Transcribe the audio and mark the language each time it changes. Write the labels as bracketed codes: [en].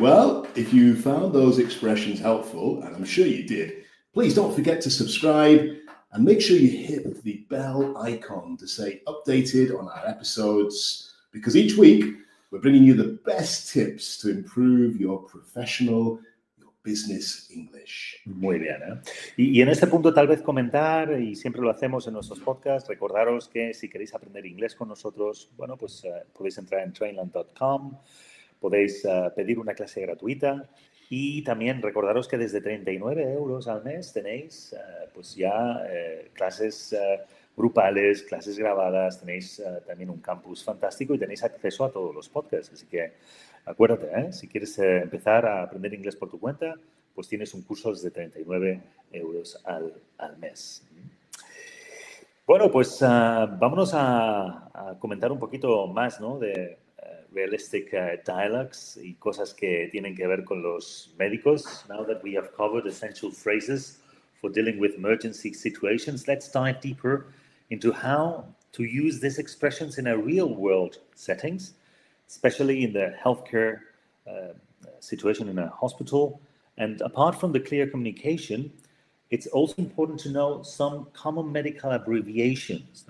[en] Well, if you found those expressions helpful, and I'm sure you did, please don't forget to subscribe and make sure you hit the bell icon to stay updated on our episodes, because each week we're bringing you the best tips to improve your professional, your business English. [es] Muy bien, ¿eh? Y en este punto tal vez comentar, y siempre lo hacemos en nuestros podcasts, recordaros que si queréis aprender inglés con nosotros, bueno, pues podéis entrar en trainland.com, podéis pedir una clase gratuita y también recordaros que desde 39 euros al mes tenéis pues ya clases grupales, clases grabadas, tenéis también un campus fantástico y tenéis acceso a todos los podcasts. Así que acuérdate, ¿eh? Si quieres empezar a aprender inglés por tu cuenta, pues tienes un curso desde 39 euros al mes. Bueno, pues vámonos a comentar un poquito más, ¿no? De [en] realistic dialogues [es] y cosas que tienen que ver con los médicos. [en] Now that we have covered essential phrases for dealing with emergency situations, let's dive deeper into how to use these expressions in a real world settings, especially in the healthcare situation in a hospital. And apart from the clear communication, it's also important to know some common medical abbreviations.